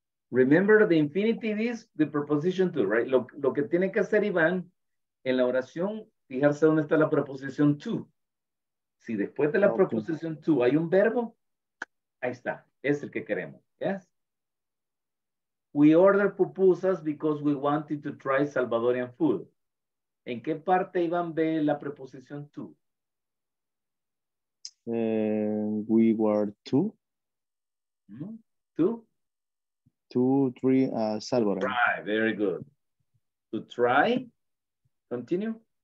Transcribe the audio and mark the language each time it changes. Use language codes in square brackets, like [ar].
[en] Remember, the infinitive is the preposition to, right? [es] Lo que tiene que hacer Ivan en la oración, fijarse dónde está la preposición to. Si después de la preposición to hay un verbo, ahí está, es el que queremos, ¿yes? [en] We order pupusas because we wanted to try Salvadorian food. [es] ¿En qué parte iban a ver la preposición to? [en] We were two. Mm-hmm. Two? Two, three, Salvadorian. Try, very good. To try, continue.